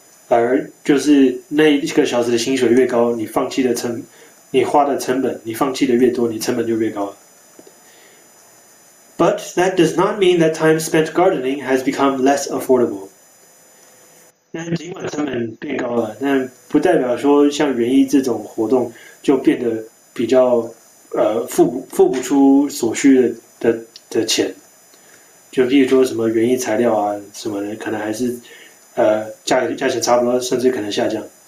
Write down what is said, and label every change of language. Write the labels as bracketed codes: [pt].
[zh] 而就是那一个小时的薪水越高，你花的成本，你放弃的越多，你成本就越高。 [en] But that does not mean that time spent gardening has become less affordable. [zh] 但尽管成本变高了，但不代表说像园艺这种活动就变得比较付不出所需的钱。就譬如说什么园艺材料啊什么的，可能还是价钱差不多，甚至可能下降。